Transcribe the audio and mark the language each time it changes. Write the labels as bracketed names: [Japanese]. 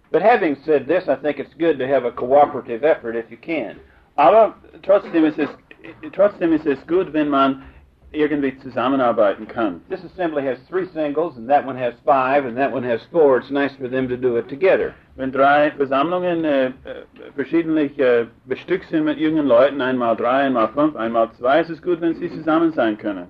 [English] But having said this, I think it's good to have a cooperative effort if you can. [German] Aber trotzdem ist es gut, wenn man irgendwie zusammenarbeiten kann. [English] This assembly has three singles, and that one has five, and that one has four. It's nice for them to do it together. [German] Wenn drei Versammlungen verschiedentlich bestückt sind mit jungen Leuten, einmal drei, einmal fünf, einmal zwei, ist es gut, wenn sie zusammen sein können.